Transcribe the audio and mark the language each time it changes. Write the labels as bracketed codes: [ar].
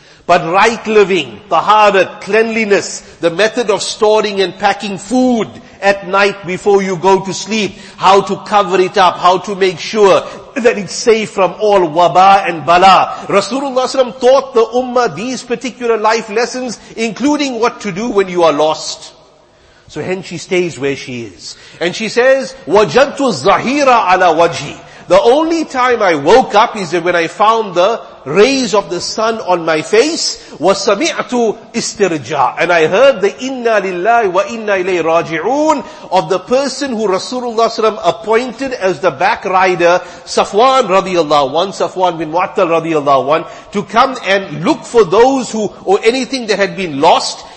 [en] But right living, tahara, cleanliness, the method of storing and packing food at night before you go to sleep, how to cover it up, how to make sure that it's safe from all waba and bala. Rasulullah SAW taught the ummah these particular life lessons, including what to do when you are lost. So hence she stays where she is. And she says, [ar] وَجَدْتُ الزَّهِيرَ عَلَى وَجْهِ. [en] The only time I woke up is when I found the rays of the sun on my face. [ar] وَسَمِعْتُ [en] istirja, and I heard the inna lillahi wa inna ilayhi raji'un of the person who Rasulullah SAW appointed as the back rider, Safwan radiallahu anhu, Safwan bin Mu'attal radiallahu anhu, to come and look for those who, or anything that had been lost.